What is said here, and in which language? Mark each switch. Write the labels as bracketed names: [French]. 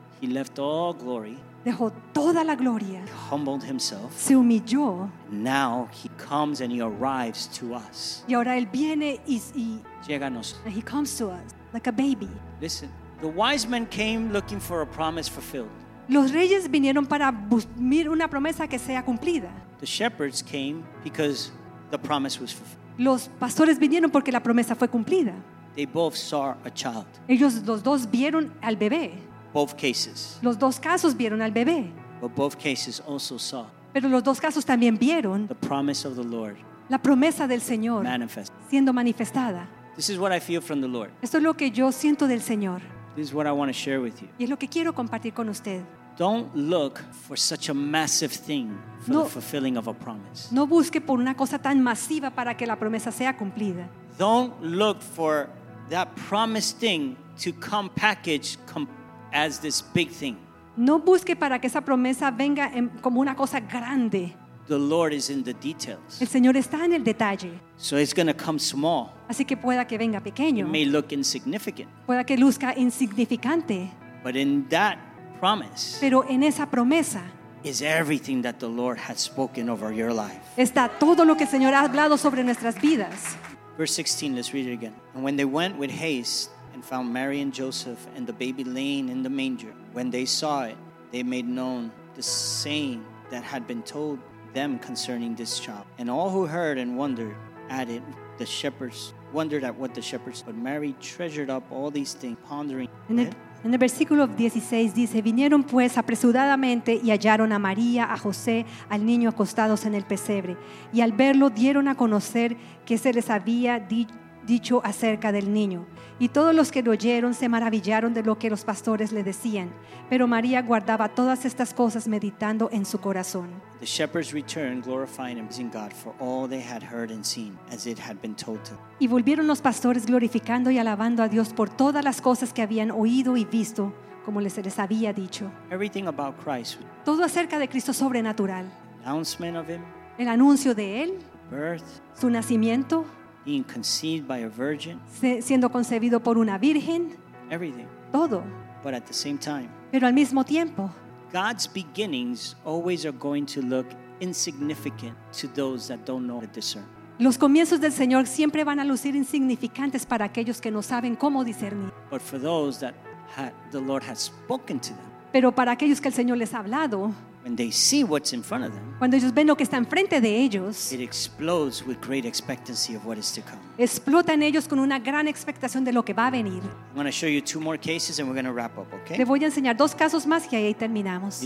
[English] He left all glory. [Spanish] Dejó toda la gloria. [English] He humbled himself. [Spanish] Se humilló. [English] Now he comes and he arrives to us. [Spanish] Y ahora él viene y llega a nosotros. [English] And he comes to us like a baby. Listen, the wise men came looking for a promise fulfilled. [Spanish] Los reyes vinieron para buscar una promesa que sea cumplida. [English] The shepherds came because the promise was fulfilled. [Spanish] Los pastores vinieron porque la promesa fue cumplida. [English] They both saw a child. [Spanish] Ellos los dos vieron al bebé. [English] Both cases. [Spanish] Los dos casos vieron al bebé. [English] But both cases also saw. [Spanish] Pero los dos casos también vieron. [English] The promise of the Lord. [Spanish] La promesa del Señor. [English] Manifest. [Spanish] Siendo manifestada. [English] This is what I feel from the Lord. [Spanish] Esto es lo que yo siento del Señor. [English] This is what I want to share with you. [Spanish] Y es lo que quiero compartir con usted. [English] Don't look for such a massive thing for the fulfilling of a promise. [Spanish] No busque por una cosa tan masiva para que la promesa sea cumplida. [English] Don't look for that promised thing to come packaged as this big thing. [Spanish] No busque para que esa promesa venga como una cosa grande. [English] The Lord is in the details. [Spanish] El Señor está en el detalle. [English] So it's going to come small. [Spanish] Así que pueda que venga pequeño. [English] It may look insignificant. [Spanish] Pueda que luzca insignificante. [English] But in that promise. [Spanish] Pero en esa promesa. [English] Is everything that the Lord has spoken over your life. [Spanish] Está todo lo que el Señor ha hablado sobre nuestras vidas. [English] Verse 16, let's read it again. And when they went with haste and found Mary and Joseph and the baby laying in the manger, when they saw it, they made known the saying that had been told them concerning this child. And all who heard and wondered at it, the shepherds wondered at what the shepherds, but Mary treasured up all these things, pondering in it. [Spanish] En el versículo 16 dice, vinieron pues apresuradamente y hallaron a María, a José, al niño acostados en el pesebre. Y al verlo dieron a conocer que se les había dicho acerca del niño. Y todos los que lo oyeron se maravillaron de lo que los pastores le decían. Pero María guardaba todas estas cosas meditando en su corazón. [English] The shepherds returned, glorifying and praising God for all they had heard and seen, as it had been told to them. [Spanish] Y volvieron los pastores glorificando y alabando a Dios por todas las cosas que habían oído y visto, como les había dicho. [English] Everything about Christ. [Spanish] Todo acerca de Cristo sobrenatural. [English] Announcement of him. [Spanish] El anuncio de él. [English] Birth. [Spanish] Su nacimiento. [English] Being conceived by a virgin. [Spanish] Siendo concebido por una virgen. [English] Everything. [Spanish] Todo. [English] But at the same time. [Spanish] Pero al mismo tiempo. [English] God's beginnings always are going to look insignificant to those that don't know how to discern. [Spanish] Los comienzos del Señor siempre van a lucir insignificantes para aquellos que no saben cómo discernir. [English] But for those that the Lord has spoken to them. [Spanish] Pero para aquellos que el Señor les ha hablado. [English] When they see what's in front of them. [Spanish] Cuando ellos ven lo que está enfrente de ellos. [English] It explodes with great expectancy of what is to come. [Spanish] Explota en ellos con una gran expectación de lo que va a venir. [English] I'm going to show you two more cases and we're going to wrap up, okay? [Spanish] Le voy a enseñar dos casos más y ahí terminamos.